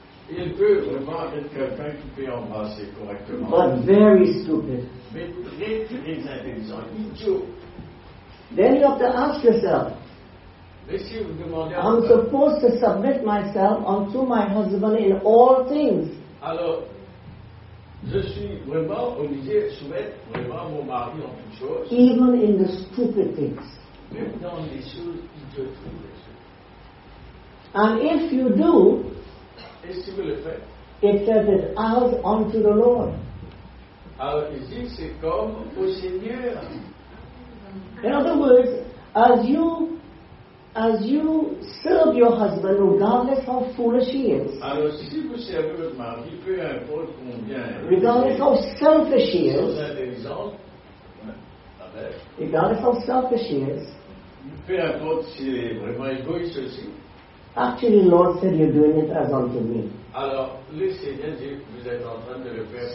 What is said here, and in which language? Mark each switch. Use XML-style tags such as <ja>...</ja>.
<fr>Il peut vraiment être quelqu'un qui peut embrasser correctement.</fr> <en>But very stupid.</en> <fr>Mais très très intelligent, idiot.</fr> <en>Then you have to ask yourself, I'm supposed to submit myself unto my husband in all things.</en> <fr>Alors, je suis vraiment obligé de soumettre vraiment mon mari en toutes choses.</fr> <en>Even in the stupid things.</en> <fr>Même dans les choses idiotes.</fr> <en>And if you do,</en> <fr>et si vous le faites,</fr> <en>it says it as unto the Lord.</en> <fr>Alors, ici, c'est comme au Seigneur.</fr> <en>In other words, as you serve your husband, regardless how foolish he is,</en> <fr>alors, si vous servez votre mari, peu importe combien,</fr> <en>regardless how selfish he is,</en> <fr>peu importe si il est vraiment égoïste aussi,</fr> <en>actually, the Lord said, you're doing it as unto me.</en> <fr>Alors, le Seigneur dit, vous êtes en train de le faire.</fr>